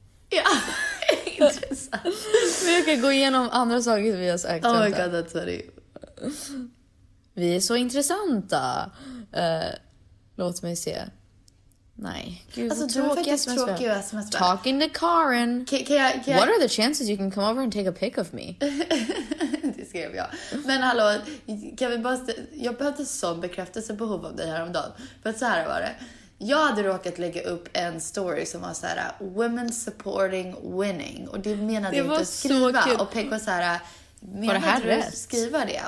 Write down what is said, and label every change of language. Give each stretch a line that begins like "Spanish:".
Swedish: Ja, sant. Men jag kan gå igenom andra saker vi har sagt.
English: Oh my god, that's funny.
Swedish: Vi är så intressanta. Låt mig se. Nej. Gud, alltså, du är faktiskt tråkig och sms.
English: Talking to Karin. Can I... What are the chances you can come over and take a pic of me?
Swedish: Det skrev jag. Men hallå, kan vi bara... Jag behövde sån bekräftelsebehov av dig häromdagen. För att så här var det. Jag hade råkat lägga upp en story som var så här:
English: women supporting winning.
Swedish: Och det menade jag inte att skriva. Så och pek var såhär... Menade det här du rätt? Skriva det?